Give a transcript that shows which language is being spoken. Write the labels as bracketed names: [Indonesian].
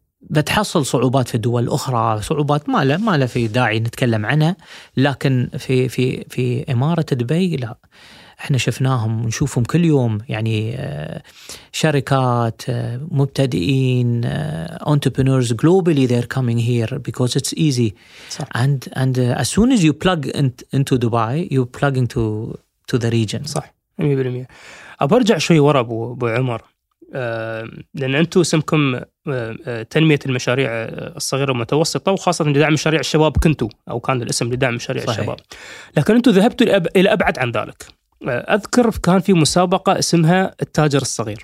[Arabic] بتحصل صعوبات في دول أخرى، صعوبات ما له في داعي نتكلم عنها، لكن في في في إمارة دبي لا، احنا شفناهم ونشوفهم كل يوم، يعني شركات، مبتدئين، [English] entrepreneurs globally they're coming here because it's easy. And as soon as you plug into Dubai you plug into the region. [Arabic] صح 100%. أبرجع شوي ورا أبو عمر، لأن أنتوا اسمكم تنمية المشاريع الصغيرة والمتوسطة، وخاصة لدعم مشاريع الشباب، كنتوا أو كان الاسم لدعم مشاريع الشباب، لكن أنتوا ذهبتوا إلى أبعد عن ذلك. أذكر كان في مسابقة اسمها التاجر الصغير،